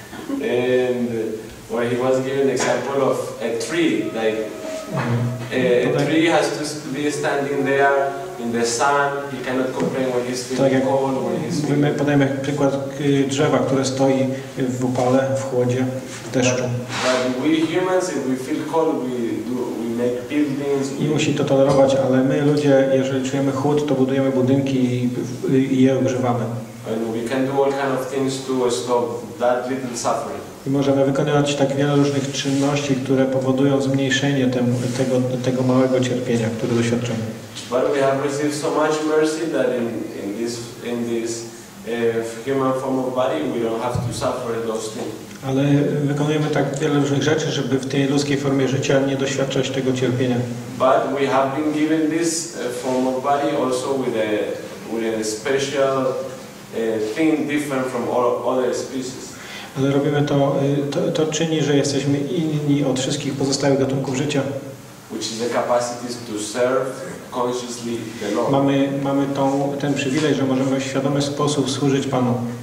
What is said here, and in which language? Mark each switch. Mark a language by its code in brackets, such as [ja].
[en] And where he was given example of a tree, like. A tree has to be standing there in the sun. He cannot complain when he's feeling [pl] tak [en] cold. [pl] My podajemy przykład drzewa, które stoi w upale, w chłodzie, w deszczu. [en] But we humans, if we feel cold, we make buildings. [pl] I musi to tolerować, ale my ludzie, jeżeli czujemy chłód, to budujemy budynki i je ogrzewamy. [en] And we can do all kind of things to stop that little suffering. [pl] I możemy wykonywać tak wiele różnych czynności, które powodują zmniejszenie tego małego cierpienia, które doświadczamy. [en] But we have received so much mercy that in this human form of body we don't have to suffer those things. [pl] Ale wykonujemy tak wiele różnych rzeczy, żeby w tej ludzkiej formie życia nie doświadczać tego cierpienia. [en] But we have been given this form of body also with a special thing different from all other species. [pl] Ale robimy to czyni, że jesteśmy inni od wszystkich pozostałych gatunków życia. [en] Which is the capacity to serve consciously the Lord. [pl] Mamy ten przywilej, że możemy w świadomy sposób służyć Panu.